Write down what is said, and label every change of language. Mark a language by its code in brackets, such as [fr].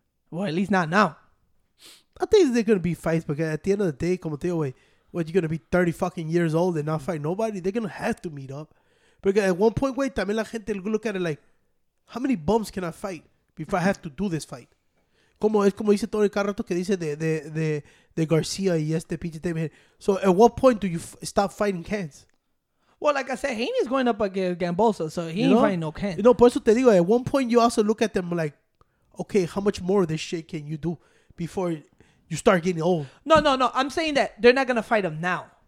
[en] Well, at least not now. I think they're gonna be fights, because at the end of the day, [es] como te digo, [en] what, you're gonna be 30 fucking years old and not fight nobody? They're gonna have to meet up. Because at one point, wey, [es] también la gente [en] look at it like, how many bumps can I fight before I have to do this fight? [es] Como es como dice Tony Carrato, que dice de Garcia y este pinche tema. [en] So at what point do you stop fighting cans? Well, like I said, Haney's going up against Gambosa, so he ain't fighting no Ken. You know, [es] por eso te digo, [en] at one point you also look at them like, okay, how much more of this shit can you do before you start getting old? No. I'm saying that they're not going to fight him now.